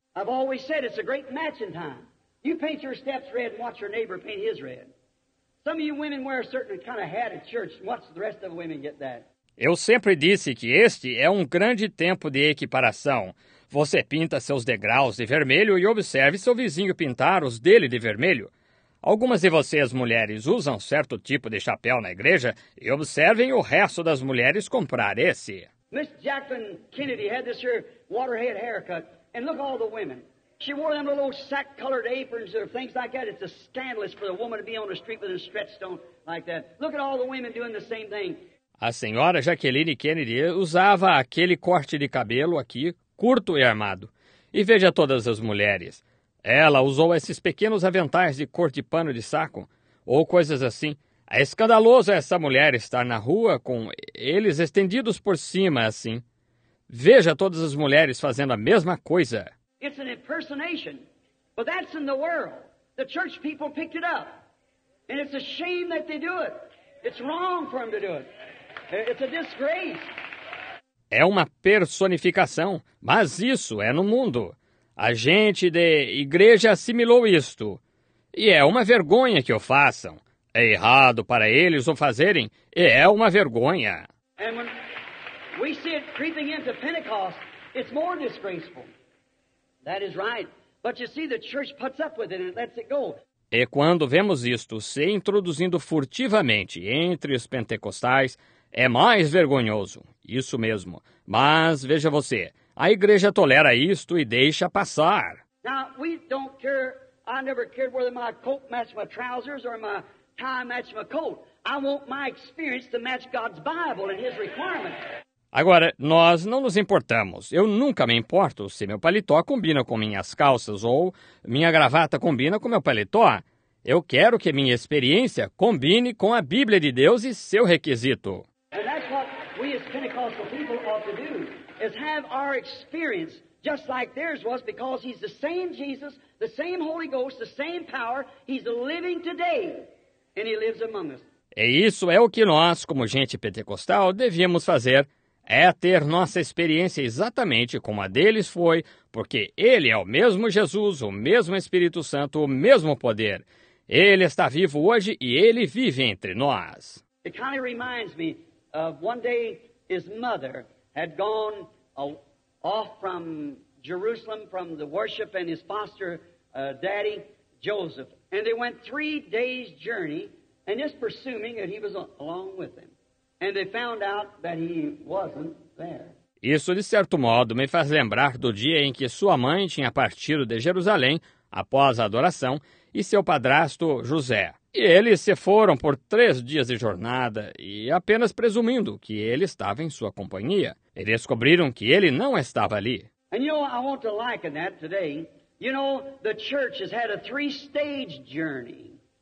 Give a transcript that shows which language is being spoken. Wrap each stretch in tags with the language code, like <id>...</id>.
<en>I've always said it's a great matching time. You paint your steps red and watch your neighbor paint his red. Some of you women wear a certain kind of hat at church and watch the rest of the women get that.</en> <pt>Eu sempre disse que este é um grande tempo de equiparação. Você pinta seus degraus de vermelho e observe seu vizinho pintar os dele de vermelho. Algumas de vocês, mulheres, usam certo tipo de chapéu na igreja e observem o resto das mulheres comprar esse.</pt> <en>Miss Jacqueline Kennedy had this here waterhead haircut, and look at all the women. She wore them little sack-colored aprons or things like that. It's a scandalous for a woman to be on the street with a stretched on like that. Look at all the women doing the same thing.</en> <pt>A senhora Jacqueline Kennedy usava aquele corte de cabelo aqui, curto e armado. E veja todas as mulheres. Ela usou esses pequenos aventais de cor de pano de saco, ou coisas assim. É escandaloso essa mulher estar na rua com eles estendidos por cima, assim. Veja todas as mulheres fazendo a mesma coisa.</pt> <en>It's an impersonation. But that's in the world. The church people picked it up. And it's a shame that they do it. It's wrong for them to do it. It's a disgrace.</en> <pt>É uma personificação, mas isso é no mundo. A gente de igreja assimilou isto. E é uma vergonha que o façam. É errado para eles o fazerem, e é uma vergonha.</pt> <en>And when we see it creeping into Pentecost, it's more disgraceful. That is right. But you see, the church puts up with it and lets it go.</en> <pt>E quando vemos isto se introduzindo furtivamente entre os pentecostais, é mais vergonhoso. Isso mesmo. Mas, veja você, a igreja tolera isto e deixa passar.</pt> <en>Now, we don't care. I never cared whether my coat matched my trousers or my tie matched my coat. I want my experience to match God's Bible and His requirements.</en> <pt>Agora, nós não nos importamos. Eu nunca me importo se meu paletó combina com minhas calças ou minha gravata combina com meu paletó. Eu quero que minha experiência combine com a Bíblia de Deus e seu requisito.</pt> <en>And that's what we as Pentecostal people ought to do, is have our experience just like theirs was, because he's the same Jesus, the same Holy Ghost, the same power, he's living today, and he lives among us.</en> <pt>E isso é o que nós, como gente pentecostal, devíamos fazer, é ter nossa experiência exatamente como a deles foi, porque ele é o mesmo Jesus, o mesmo Espírito Santo, o mesmo poder. Ele está vivo hoje e ele vive entre nós.</pt> <en>It kind of reminds me of one day his mother had gone off from Jerusalem from the worship and his foster daddy Joseph. And they went 3 days' journey, and just presuming that he was along with them. And they found out that he wasn't there.</en> <pt>Isso, de certo modo, me faz lembrar do dia em que sua mãe tinha partido de Jerusalém após a adoração e seu padrasto José. E eles se foram por 3 dias de jornada e apenas presumindo que ele estava em sua companhia. E descobriram que ele não estava ali.</pt> <en>And you know, I want to liken that today. You know, the church has had a 3-stage journey.</en>